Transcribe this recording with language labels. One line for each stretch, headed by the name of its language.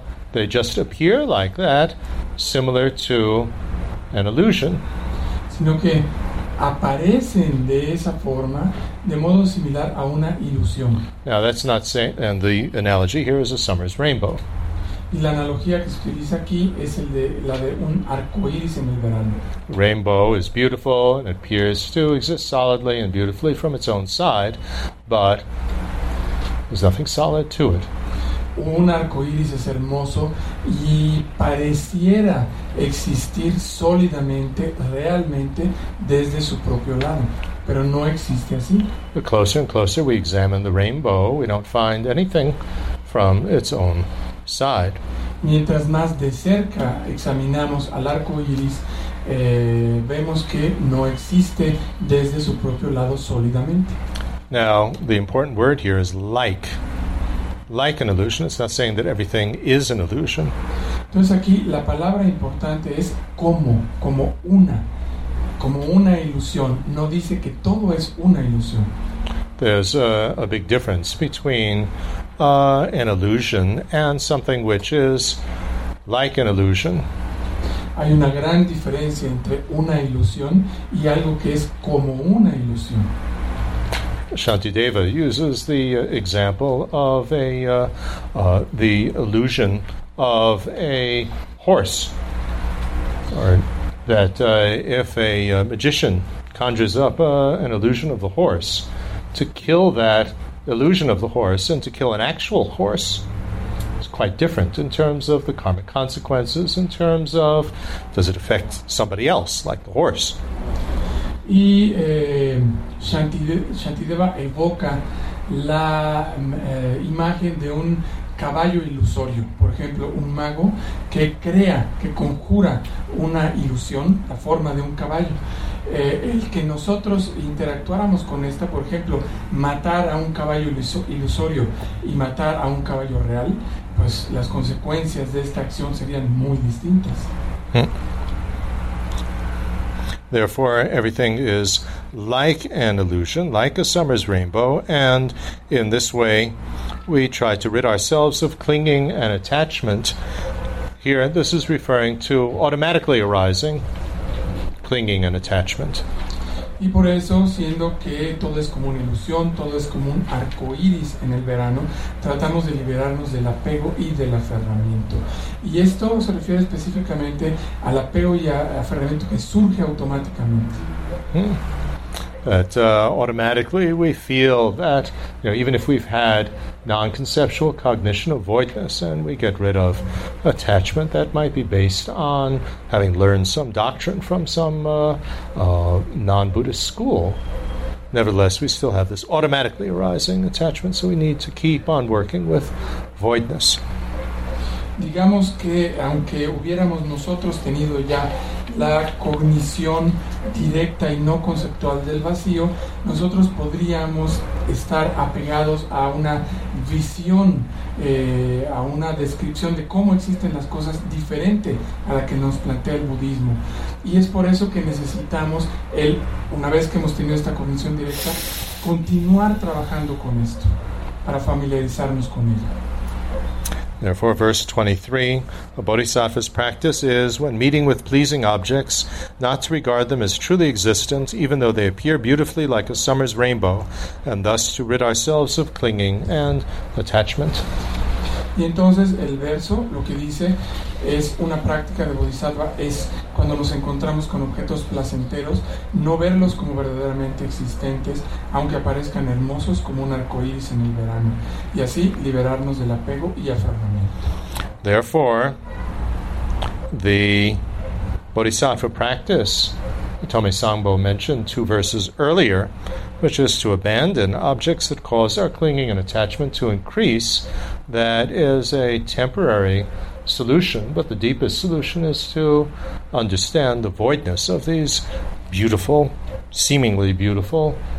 English: They just appear like that, similar to an illusion.
Spanish: Sino que aparecen de esa forma, de modo similar a una ilusión.
English: Now that's not saying, and the analogy here is a summer's rainbow.
Spanish: Y la analogía que se utiliza aquí es el de la de un arco iris en el verano.
English: Rainbow is beautiful and appears to exist solidly and beautifully from its own side, but there's nothing solid to it.
Spanish: Un arco iris es hermoso y pareciera existir sólidamente, realmente, desde su propio lado. Pero no existe así.
English: The closer and closer we examine the rainbow, we don't find anything from its own side.
Spanish: Mientras más de cerca examinamos al arco iris, vemos que no existe desde su propio lado sólidamente.
English: Now, the important word here is like. Like an illusion, it's not saying that everything is an illusion.
Spanish: Entonces aquí la palabra importante es como una ilusión. No dice que todo es una ilusión.
English: There's a big difference between an illusion and something which is like an illusion.
Spanish: Hay una gran diferencia entre una ilusión y algo que es como una ilusión.
English: Shantideva uses the example of the illusion of a horse, or that if a magician conjures up an illusion of the horse, to kill that illusion of the horse and to kill an actual horse is quite different in terms of the karmic consequences, in terms of does it affect somebody else like the horse.
Spanish: Y Shantideva evoca la imagen de un caballo ilusorio. Por ejemplo, un mago que crea, que conjura una ilusión, la forma de un caballo. El que nosotros interactuáramos con esta, por ejemplo, matar a un caballo ilusorio y matar a un caballo real, pues las consecuencias de esta acción serían muy distintas.
English: Therefore, everything is like an illusion, like a summer's rainbow, and in this way, we try to rid ourselves of clinging and attachment. Here, this is referring to automatically arising clinging and attachment.
Spanish: Y por eso, siendo que todo es como una ilusión, todo es como un arco iris en el verano, tratamos de liberarnos del apego y del aferramiento. Y esto se refiere específicamente al apego y aferramiento que surge automáticamente.
English: That automatically we feel that, you know, even if we've had non-conceptual cognition, avoidness, and we get rid of attachment that might be based on having learned some doctrine from some non-Buddhist school. Nevertheless, we still have this automatically arising attachment, so we need to keep on working with voidness.
Spanish: Digamos que aunque hubiéramos nosotros tenido ya la cognición directa y no conceptual del vacío, nosotros podríamos estar apegados a una visión, a una descripción de cómo existen las cosas diferente a la que nos plantea el budismo. Y es por eso que necesitamos, una vez que hemos tenido esta cognición directa, continuar trabajando con esto para familiarizarnos con ella.
English: Therefore, verse 23, a bodhisattva's practice is, when meeting with pleasing objects, not to regard them as truly existent, even though they appear beautifully like a summer's rainbow, and thus to rid ourselves of clinging and attachment.
Spanish: Y entonces el verso lo que dice es una práctica de bodhisattva es cuando nos encontramos con objetos placenteros, no verlos como verdaderamente existentes, aunque aparezcan hermosos como un arco iris en el verano, y así liberarnos del apego y aferramiento.
English: Therefore, the bodhisattva practice, Tome Sangbo mentioned two verses earlier, which is to abandon objects that cause our clinging and attachment to increase. That is a temporary solution, but the deepest solution is to understand the voidness of these beautiful, seemingly beautiful